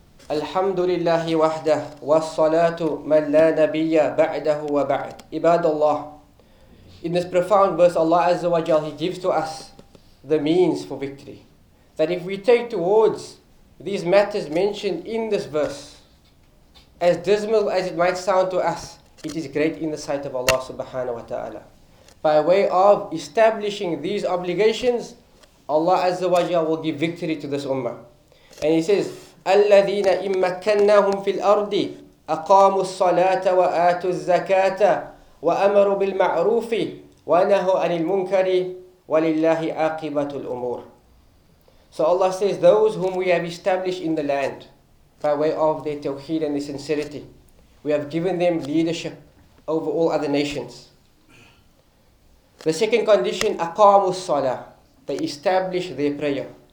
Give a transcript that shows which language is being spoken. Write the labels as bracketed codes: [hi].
[ar] الحمد لله وحده والصلاة من لا نبي بعده وبعد. عباد الله, [en] in this profound verse Allah Azza wa Jal, He gives to us the means for victory. That if we take towards these matters mentioned in this verse, as dismal as it might sound to us, it is great in the sight of Allah subhanahu wa ta'ala. By way of establishing these obligations, Allah Azza wa Jal will give victory to this ummah. And He says, [ar] الذين إن مكناهم في الأرض أقاموا الصلاة وآتوا الزكاة وأمروا بالمعروف ونهوا عن المنكر ولله عاقبة الأمور. [en] So Allah says, those whom we have established in the land by way of their tawheed and their sincerity, we have given them leadership over all other nations. The second condition, [ar] أقاموا الصلاة, [en] they establish their prayer.